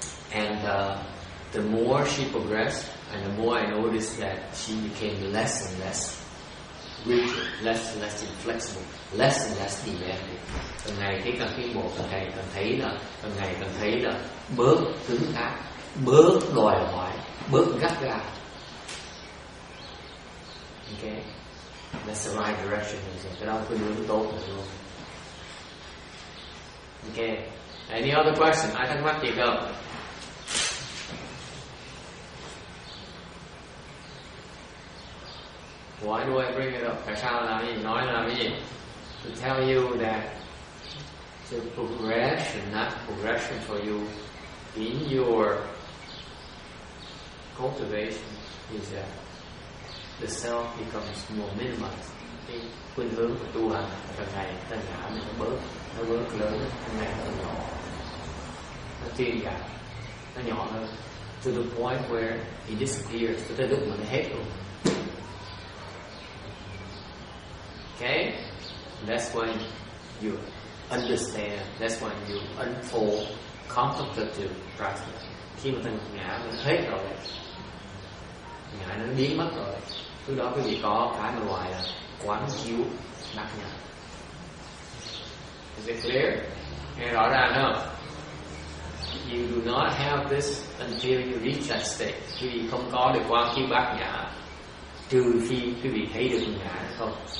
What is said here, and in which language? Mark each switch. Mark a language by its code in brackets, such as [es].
[en] And the more she progressed, and the more I noticed that she became less and less rigid, less and less inflexible, less and less demanding. [vi] Càng ngày cái càng tiến bộ, càng ngày càng thấy là bớt cứng cáp, bớt đòi hỏi, bớt gắt gao. [en] Okay, that's the right direction. [vi] Cái đó cứ hướng tốt rồi luôn. [en] Okay, any other question? [vi] Ai thắc mắc gì không? [en] Why do I bring it up? [vi] Tại sao làm gì? Nói làm gì? [en] To tell you that the progression, not progression for you in your cultivation is that the self becomes more minimized. [vi] Cái khuynh hướng của tu hành càng ngày càng nhỏ, nó bớt lớn, càng ngày càng nhỏ, nó tiên giảm, nó nhỏ hơn. [en] To the point where it disappears. [vi] Tới lúc mà nó hết luôn. [en] Okay, that's when you understand, that's when you unfold contemplative practice. [vi] Khi mà thân ngã nó hết rồi, ngã nó biến mất rồi, lúc đó quý vị có cái mà gọi là quán chiếu đắc nhập. [en] Is it clear? [vi] Nghe rõ ràng không? [en] You do not have this until you reach that state. [vi] Quý vị không có được quán chiếu đắc nhập trừ khi quý vị thấy được ngã không.